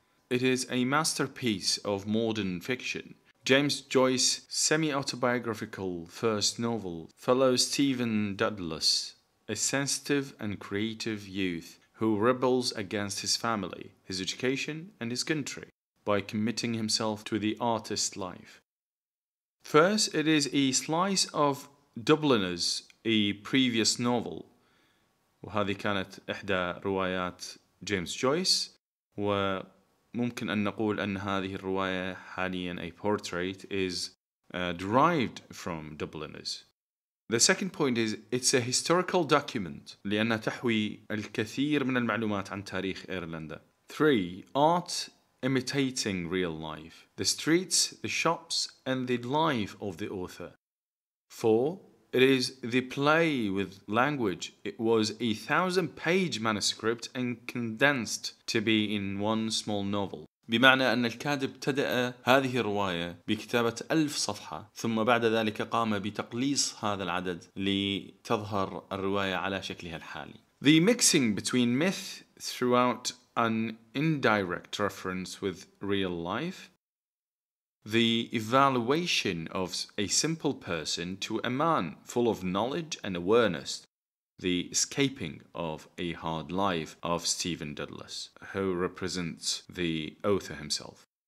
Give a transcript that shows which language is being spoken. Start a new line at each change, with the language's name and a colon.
English: It is a masterpiece of modern fiction. James Joyce's semi-autobiographical first novel follows Stephen Dedalus, a sensitive and creative youth who rebels against his family, his education, and his country by committing himself to the artist life. First, it is a slice of Dubliners, a previous novel.
Arabic: وهذه كانت إحدى روايات جيمس جويس وممكن أن نقول أن هذه الرواية حاليا
English: A Portrait is derived from Dubliners. The second point is it's a historical document
Arabic: لأنها تحوي الكثير من المعلومات عن تاريخ إيرلندا.
English: Three, art imitating real life. The streets, the shops and the life of the author. Four, it is the play with language. It was a 1,000-page manuscript and condensed to be in one small novel.
Arabic: بمعنى أن الكاتب ابتدأ هذه الرواية بكتابة 1,000 صفحة ثم بعد ذلك قام بتقليص هذا العدد لتظهر الرواية على شكلها الحالي.
English: The mixing between myth throughout an indirect reference with real life. The evaluation of a simple person to a man full of knowledge and awareness. The escaping of a hard life of Stephen Dedalus, who represents the author himself.